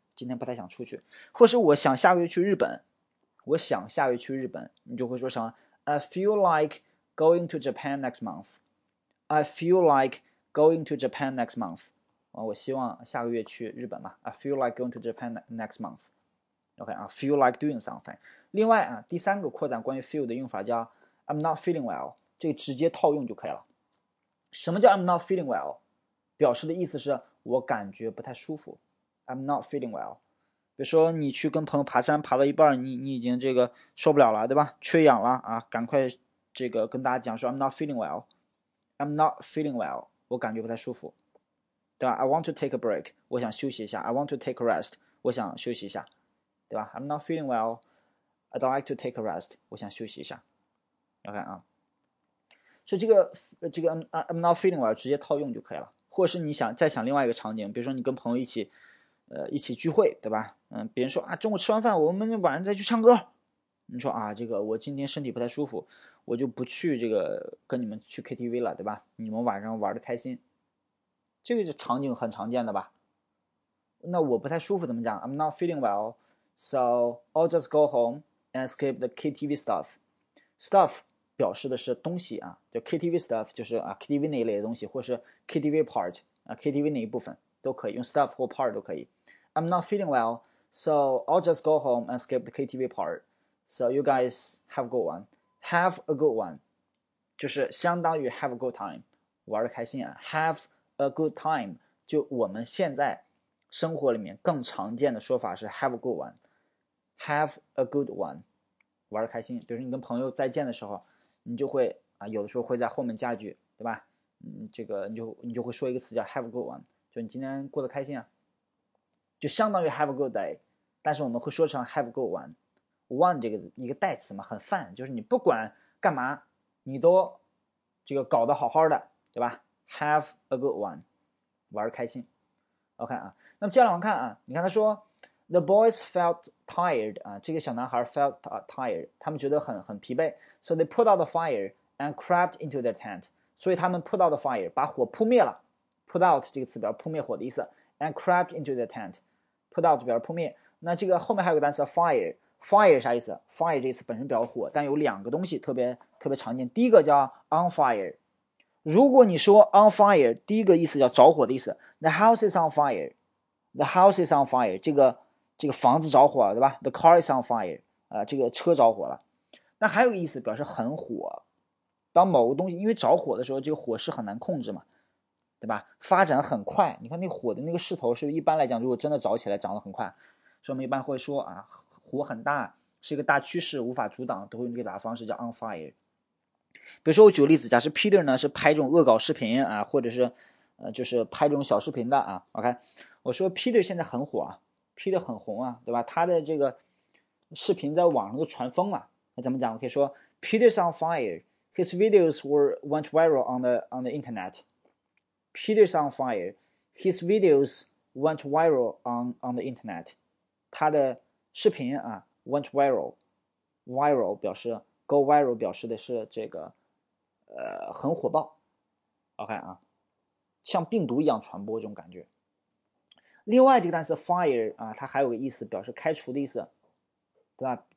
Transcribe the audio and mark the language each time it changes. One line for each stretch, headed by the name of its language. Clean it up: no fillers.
Chinese: 今天不太想出去，或是我想下个月去日本。我想下个月去日本，你就会说什么？
English: I feel like going to Japan next month. I feel like Going to Japan next month，
Chinese: 我希望下个月去日本嘛。
English: I feel like going to Japan next month。 OK 啊，feel like doing something。
Chinese: 另外啊，第三个扩展关于 feel 的用法叫
English: I'm not feeling well，
Chinese: 这个直接套用就可以了。什么叫
English: I'm not feeling well？
Chinese: 表示的意思是我感觉不太舒服。
English: I'm not feeling well。
Chinese: 比如说你去跟朋友爬山，爬到一半，你已经这个受不了了，对吧？缺氧了啊，赶快这个跟大家讲说
English: I'm not feeling well。 I'm not feeling well。
Chinese: 我感觉不太舒服，对吧？
English: I want to take a break，
Chinese: 我想休息一下。
English: I want to take a rest，
Chinese: 我想休息一下，
English: 对吧？I'm not feeling well，I'd like to take a rest，我想休息一下。
Chinese: OK 啊，所以这个I'm not feeling well 直接套用就可以了。或者是你想再想另外一个场景，比如说你跟朋友一起聚会，对吧？别人说啊，中午吃完饭，我们晚上再去唱歌。你说啊，这个我今天身体不太舒服，我就不去这个跟你们去 KTV 了，对吧？你们晚上玩得开心，这个就场景很常见的吧？那我不太舒服怎么讲？
English: I'm not feeling well, so I'll just go home and skip the KTV stuff.
Chinese: Stuff 表示的是东西啊，就 KTV stuff 就是啊 KTV 那一类的东西，或是 KTV part 啊 KTV 那一部分都可以，用 stuff 或 part 都可以。
English: I'm not feeling well, so I'll just go home and skip the KTV part. So you guys have a good one. Have a good one，就是相当于 have a good time，
Chinese: 玩得开心啊。 Have a good time，就我们现在生活里面更常见的说法是
English: have a good one。 Have a good one，
Chinese: 玩得开心。比如说你跟朋友再见的时候，你就会啊，有的时候会在后面加一句，对吧？这个你就会说一个词叫
English: have a good one，
Chinese: 就你今天过得开心啊，就相当于
English: have a good day，
Chinese: 但是我们会说成 have a good one。 One 这个一个代词嘛，很泛，就是你不管干嘛，你都这个搞得好好的，对吧？
English: Have a good one，
Chinese: 玩开心。 OK 啊，那么接下来我们看啊，你看他说，
English: The boys felt tired
Chinese: 啊，这个小男孩 felt tired，他们觉得很疲惫，
English: so they put out the fire and crept into their tent，
Chinese: 所以他们
English: put out the fire，
Chinese: 把火扑灭了，put out 这个词表示扑灭火的意思，
English: and crept into their tent，
Chinese: put out 表示扑灭，那这个后面还有个单词 fire。 Fire 啥意思？Fire 这个词本身表示火，但有两个东西特别常见。第一个叫 on fire，如果你说 on fire，第一个意思叫着火的意思。
English: The house is on fire，the house is on fire，
Chinese: 这个房子着火了，对吧？
English: The car is on fire，
Chinese: 这个车着火了。那还有个意思表示很火，当某个东西因为着火的时候，这个火势很难控制嘛，对吧？发展很快，你看那火的那个势头，是不是一般来讲，如果真的着起来，涨得很快，所以我们一般会说啊，火很大，是一个大趋势，无法阻挡，都会用这个打方式叫 on fire。比如说，我举个例子，假设 Peter 呢是拍这种恶搞视频啊，或者是，就是拍这种小视频的啊。 OK，我说 Peter 现在很火啊，Peter 很红啊，对吧？他的这个视频在网上都传疯了。那怎么讲？我可以说
English: Peter's on fire, his videos went viral on the internet. Peter's on fire, his videos went viral on the internet.
Chinese: 他的视频啊，went viral 表示 go viral 表示的是这个。很火爆，OK 啊，像病毒一样传播这种感觉。另外这个单词 fire 啊，它还有个意思，表示开除的意思，对吧？